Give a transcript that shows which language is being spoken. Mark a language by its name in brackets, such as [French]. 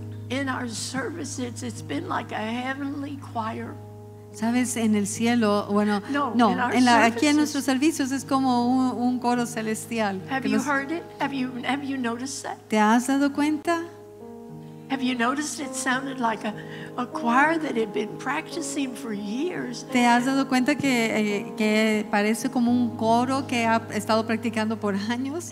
[English] In our services, it's been like a heavenly choir. [Spanish] Sabes, en el cielo, bueno, no, aquí en nuestros servicios es como un coro celestial. [English] Have you heard it? Have you noticed that? [Spanish] ¿Te has dado cuenta? [English] Have you noticed it sounded like a choir that had been practicing for years? [Spanish] ¿Te has dado cuenta que parece como un coro que ha estado practicando por años?